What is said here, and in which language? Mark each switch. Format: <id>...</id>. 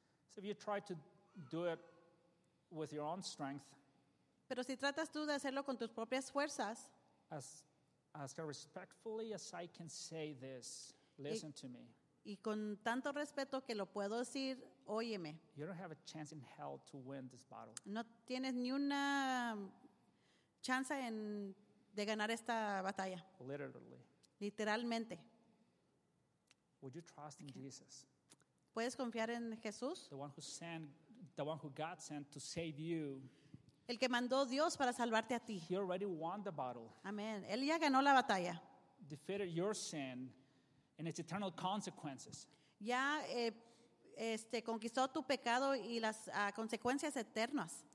<en>So if you try to do it with your own strength.</en> <es>Pero si tratas tú de hacerlo con tus propias fuerzas.</es> <en>As respectfully as I can say this, listen to me.</en> <es>Y con tanto respeto que lo puedo decir, óyeme.</es> <en>You don't have a chance in hell to win this battle.</en> <es>No tienes ni una chance de ganar esta batalla.</es> <en>Literally.</en> <es>Literalmente.</es> <en>Would you trust in Jesus?</en> <es>¿Puedes confiar en Jesús?</es> <en>The one who God sent to save you.</en> <es>El que mandó Dios para salvarte a ti.</es> <en>He already won the battle.</en> <es>Amen. Él ya ganó la batalla.</es> <en>Defeated your sin. And its eternal consequences.</en> <es>Ya conquistó tu pecado y las consecuencias eternas.</es>